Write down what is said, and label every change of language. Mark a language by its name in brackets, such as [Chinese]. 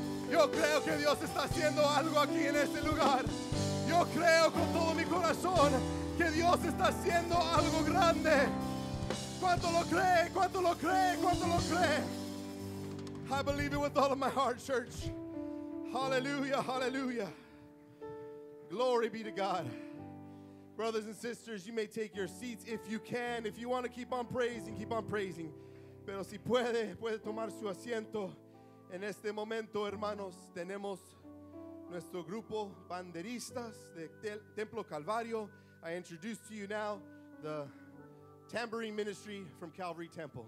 [Spanish] Yo creo que Dios está haciendo algo aquí en este lugar. Yo creo con todo mi corazón que Dios está haciendo algo grande. ¿Cuánto lo cree? ¿Cuánto lo cree? ¿Cuánto lo cree? [English] I believe it with all of my heart, church. Hallelujah, hallelujah. Glory be to God. Brothers and sisters, you may take your seats if you can. If you want to keep on praising, keep on praising. [Spanish] Pero si puede, puede tomar su asiento. En este momento, hermanos, tenemos nuestro grupo banderistas de Templo Calvario. [English] I introduce to you now the tambourine ministry from Calvary Temple.